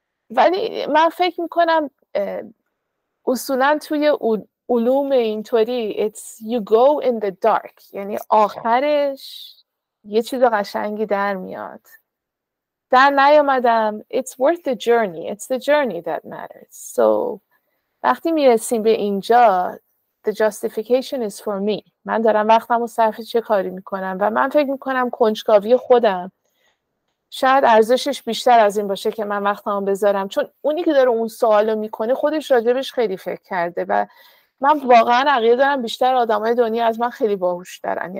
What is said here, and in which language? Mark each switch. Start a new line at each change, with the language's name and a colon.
Persian: ولی من فکر میکنم اصولا توی علوم اینطوری
English: it's you go in the dark،
Persian: یعنی آخرش یه چیز قشنگی در میاد، در نیامدم.
English: It's worth the journey. It's the journey that matters. So
Persian: وقتی میرسیم به اینجا,
English: the justification is for me.
Persian: من دارم وقتم رو صرف چه کاری میکنم, و من فکر میکنم کنجکاوی خودم شاید ارزشش بیشتر از این باشه که من وقتم بذارم, چون اونی که داره اون سوالو میکنه خودش راجبش خیلی فکر کرده, و من واقعا عقیده دارم بیشتر آدمای دنیا از من خیلی باهوش دارن.